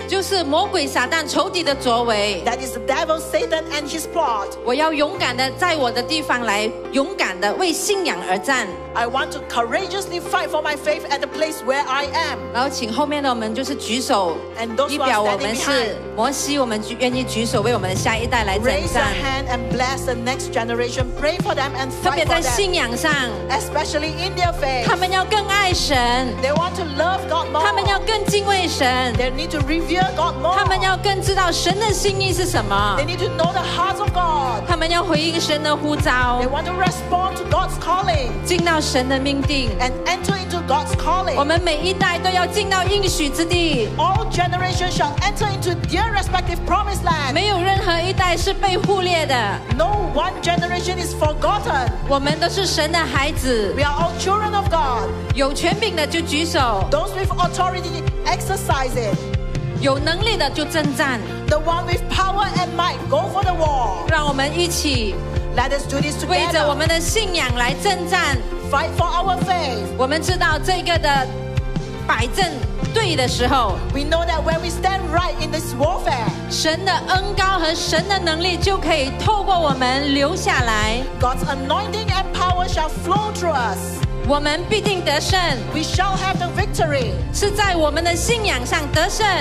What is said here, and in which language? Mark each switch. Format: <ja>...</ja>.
<zh>就是魔鬼撒旦仇敌的作为</zh> <en>That is the devil Satan and his plot</en> <zh>我要勇敢的在我的地方来勇敢的为信仰而战</zh> <en>I want to courageously fight for my faith at the place where I am</en> <zh>然后请后面的我们就是举手</zh> <en>And those who are standing behind</en> <zh>代表我们是摩西我们愿意举手为我们的下一代来征战。</zh> <en>Raise your hand and bless the next generation. Pray for them and fight for them.</en> <zh>特别在信仰上</zh> <en>especially in their faith.</en> <zh>他们要更爱神。</zh> <en>They want to love God more.</en> <zh>他们要更敬畏神。</zh> <en>They need to revere God more.</en> <zh>他们要更知道神的心意是什么。</zh> <en>They need to know the heart of God.</en> <zh>他们要回应神的呼召。</zh> <en>They want to respond to God's calling.</en> <zh>进到神的命定。</zh> <en>And enter into God's calling.</en> <zh>我们每一代都要进到应许之地。</zh> <en>All generations shall enter into their respective promise.</en> <zh>没有任何一代是被忽略的。</zh> <en>No one generation is forgotten.</en> <zh>我们都是神的孩子。</zh> <en>We are all children of God.</en> <zh>有权柄的就举手。</zh> <en>Those with authority, exercise it.</en> <zh>有能力的就征战。</zh> <en>The one with power and might, go for the war.</en> <zh>让我们一起。</zh> <en>Let us do this together.</en> <zh>为着我们的信仰来征战。</zh> <en>Fight for our faith.</en> <zh>我们知道这个的摆正。对的时候</zh> <en>we know that when we stand right in this warfare,</en> <zh>神的恩膏和神的能力就可以透过我们流下来</zh> <en>God's anointing and power shall flow through us.</en> <zh>我们必定得胜</zh> <en>We shall have the victory.</en> <zh>是在我们的信仰上得胜</zh>